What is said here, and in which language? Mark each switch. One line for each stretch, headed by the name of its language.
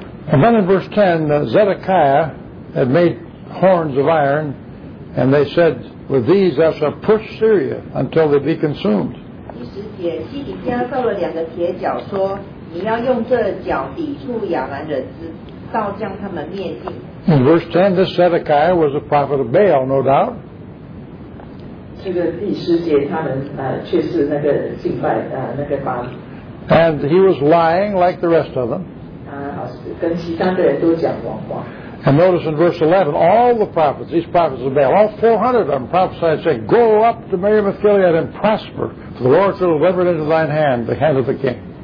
English: And then in verse 10, Zedekiah had made horns of iron, and they said, with these thou shalt push Syria until they be consumed.
Chinese: 第十节，西底家造了两个铁脚，说你要用这脚抵触亚兰人，直到将他们灭尽。
English: In verse 10, this Zedekiah was a prophet of Baal, no doubt.
Chinese: 这个第十节，他们却是那个敬拜那个巴。And
English: he was lying like the rest of them.
Chinese: 跟其他的人都讲谎话。
English: And notice in verse 11, all the prophets, these prophets of Baal, all 400 of them prophesied, saying, go up to Miriam Gilead and prosper, for the Lord shall deliver it into thine hand, the hand of the king.